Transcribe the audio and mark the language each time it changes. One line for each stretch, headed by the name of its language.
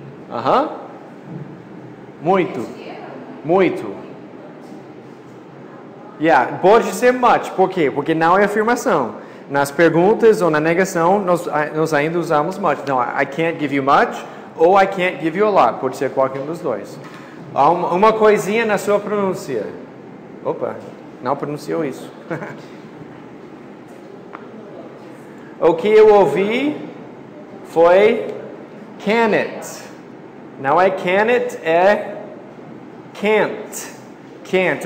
Portuguese: Aham. Muito. Muito. Yeah, pode ser much. Por quê? Porque não é afirmação. Nas perguntas ou na negação, nós ainda usamos much.
English: Então, I can't give you much ou I can't give you a lot.
Portuguese: Pode ser qualquer um dos dois. Há uma coisinha na sua pronúncia. Opa, não pronunciou isso. O que eu ouvi foi can it. Não é can it, é can't. Can't.